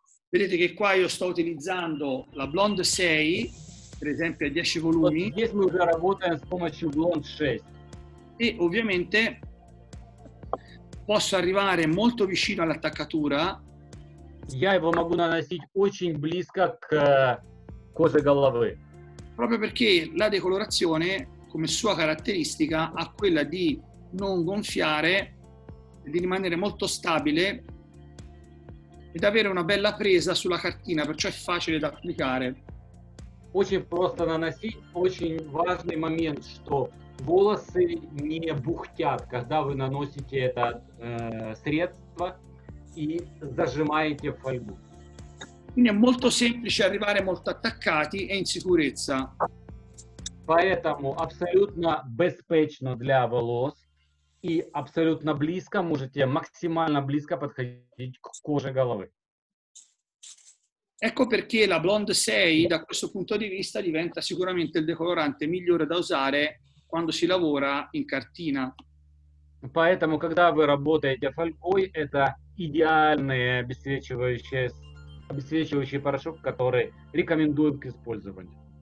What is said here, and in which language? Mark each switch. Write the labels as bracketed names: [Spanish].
[Italian] Vedete che qua io sto utilizzando la Blonde 6, per esempio, a 10 volumi. E ovviamente posso arrivare molto vicino all'attaccatura. [Russian] Я его могу наносить очень близко к коже головы. [Italian] Proprio perché la decolorazione, come sua caratteristica, ha quella di non gonfiare, di rimanere molto stabile ed avere una bella presa sulla cartina, perciò è facile da applicare. [Russian] Очень просто наносить. Очень важный момент, что волосы не бухтят, когда вы наносите это средство. E зажимаете фольгу. [Italian] Quindi è molto semplice arrivare molto attaccati e in sicurezza. [Russian] Поэтому абсолютно безопасно для волос и абсолютно близко можете максимально близко подходить к коже головы. [Italian] Ecco perché la Blonde 6 da questo punto di vista diventa sicuramente il decolorante migliore da usare quando si lavora in cartina. [Russian] Поэтому когда вы работаете фольгой, это идеальный обесцвечивающий порошок, который рекомендуем к использованию.